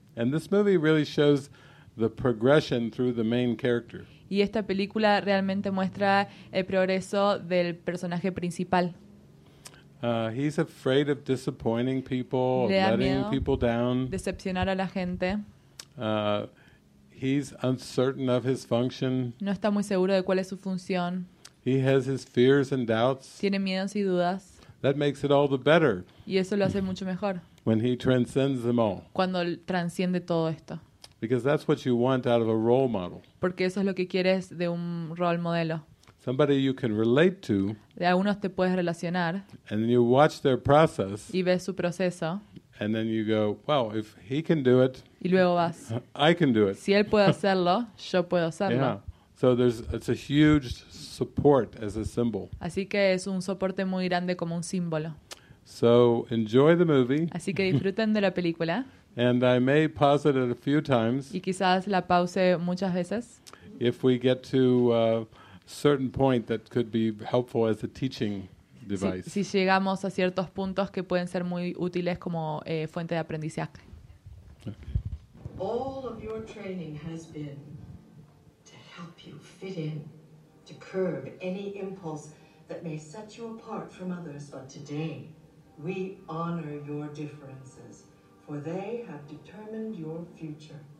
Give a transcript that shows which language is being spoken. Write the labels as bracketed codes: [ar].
[en] And this movie really shows the progression through the main character. [es] y esta película realmente muestra el progreso del personaje principal. [en] He's afraid of disappointing people, letting people down. [es] Decepcionar a la gente. [en] He's uncertain of his function. [es] No está muy seguro de cuál es su función. [en] He has his fears and doubts. [es] Tiene miedos y dudas. [en] That makes it all the better. [es] Y eso lo hace mucho mejor. [en] When he transcends them all. [es] Cuando transciende todo esto. [en] Because that's what you want out of a role model. [es] Porque eso es lo que quieres de un role modelo. [en] Somebody you can relate to. [es] De algunos te puedes relacionar. [en] And then you watch their process. [es] Y ves su proceso. [en] And then you go, well, if he can do it. [es] Y luego vas. [en] I can do it. [es] Si él puede hacerlo, yo puedo hacerlo. [en] Yeah. So it's a huge support as a symbol. [es] Así que es un soporte muy grande como un símbolo. [en] So enjoy the movie. [es] Así que disfruten de la película. [en] And I may pause it a few times. [es] Y quizás la pause muchas veces. [en] If we get to a certain point that could be helpful as a teaching device. [es] Si llegamos a ciertos puntos que pueden ser muy útiles como fuente de aprendizaje. [en] All of your training has been to help you fit in, to curb any impulse that may set you apart from others. But today, we honor your differences, for they have determined your future.